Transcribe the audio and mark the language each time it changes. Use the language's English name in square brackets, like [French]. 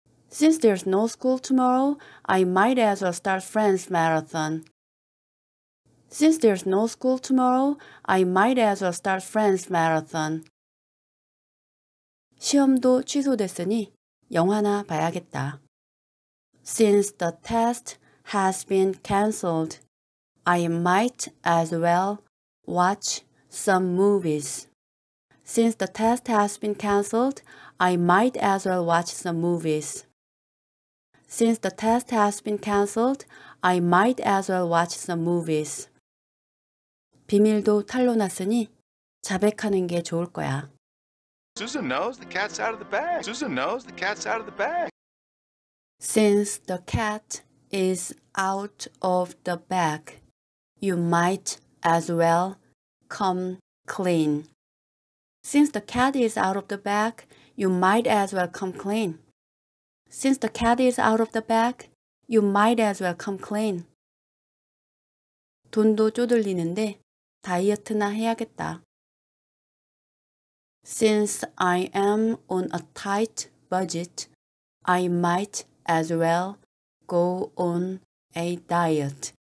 [English] Since there's no school tomorrow, I might as well start Friends Marathon. Since there's no school tomorrow, I might as well start Friends Marathon. [Korean] 시험도 취소됐으니 영화나 봐야겠다. [English] Since the test has been cancelled, I might as well watch some movies. Since the test has been cancelled, I might as well watch some movies. Since the test has been cancelled, I might as well watch some movies. [Korean] 비밀도 털어놨으니 자백하는 게 좋을 거야. [English] Susan knows the cat's out of the bag. Susan knows the cat's out of the bag. Since the cat is out of the bag, you might as well come clean. Since the cat is out of the bag, you might as well come clean. Since the cat is out of the bag, you might as well come clean. [Korean] 돈도 쪼들리는데 다이어트나 해야겠다. [English] Since I am on a tight budget, I might as well go on a diet.